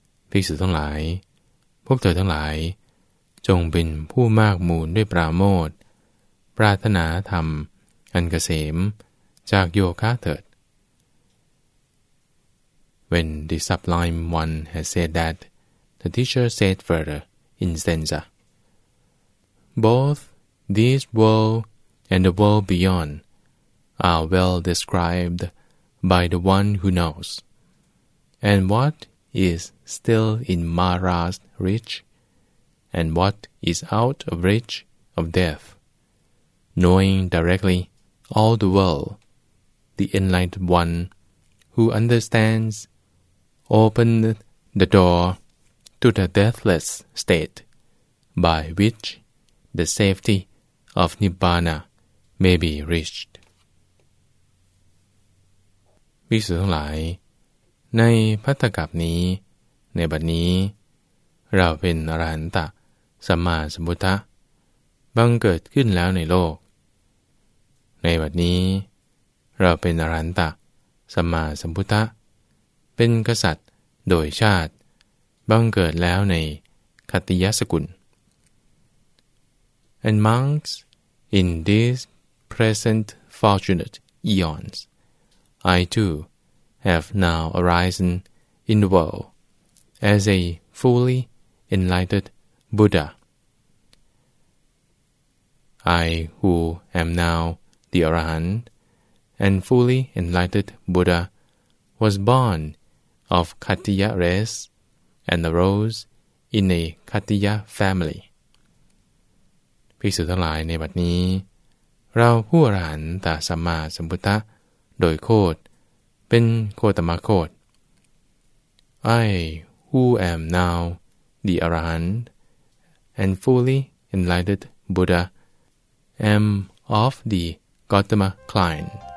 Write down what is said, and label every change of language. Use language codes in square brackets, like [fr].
[th] ภิกษุทั้งหลายพวกเธอทั้งหลายจงเป็นผู้มากมูลด้วยปราโมทปรารถนาธรรมอันเกษมจากโยคะเถิด [en] When the sublime one has said that, the teacher said further in stanza, Both this worldand the world beyond are well described by the one who knows. And what is still in Mara's reach, and what is out of reach of death, knowing directly all the world, the enlightened one who understands opened the door to the deathless state by which the safety of Nibbana may be reached. [th] ภิกษุทั้งหลายในพัทธกัปนี้ในบัดนี้เราเป็นอรหันตะสัมมาสัมพุทธะบังเกิดขึ้นแล้วในโลก ในบัดนี้เราเป็นอรหันตะสัมมาสัมพุทธะเป็นกษัตริย์โดยชาติบังเกิดแล้วในขัตติยสกุล [en] And monks in thisPresent fortunate eons, I too have now arisen in the world as a fully enlightened Buddha. I who am now the Arahant and fully enlightened Buddha was born of Khatiya race and arose in a Khatiya family. [th] ภิกษุทั้งหลายในบัดนี้เราผู้อรหันตสัมมาสัมพุทธะโดยโคตรเป็นโคตมะโคตร [en] I who am now the Arahant and fully enlightened Buddha am of the Gautama clan.